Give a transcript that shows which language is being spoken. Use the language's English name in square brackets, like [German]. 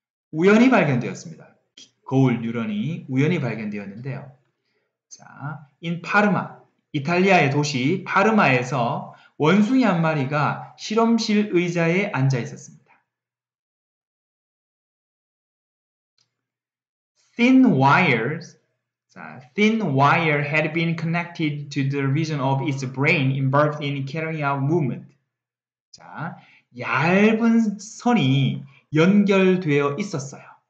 [Korean] 우연히 발견되었습니다. 거울 뉴런이 우연히 발견되었는데요. 자, in 파르마. 이탈리아의 도시 파르마에서 원숭이 한 마리가 실험실 의자에 앉아 있었습니다. [English] Thin wires, thin wire had been connected to the region of its brain involved in carrying out movement. [Korean] 자, 얇은 선이 연결되어 있었어요.